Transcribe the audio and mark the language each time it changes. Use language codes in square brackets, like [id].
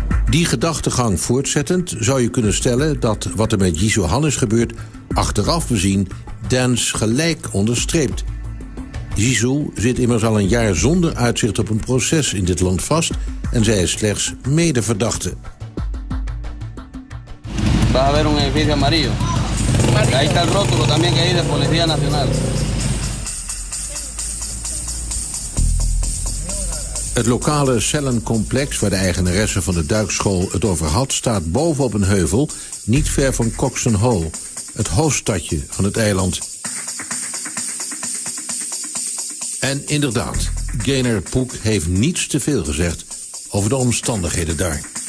[nl] Die gedachtegang voortzettend zou je kunnen stellen dat wat er met Jisoo Han is gebeurd, achteraf bezien, Dan's gelijk onderstreept. Jisoo zit immers al een jaar zonder uitzicht op een proces in dit land vast en zij is slechts medeverdachte. [es] Va a haber un edificio amarillo. Ahí está el rótulo también que hay de Policía Nacional. [nl] Het lokale cellencomplex waar de eigenaresse van de duikschool het over had, staat bovenop een heuvel, niet ver van Coxon Hole, het hoofdstadje van het eiland. En inderdaad, Gaynor Pook heeft niets te veel gezegd over de omstandigheden daar.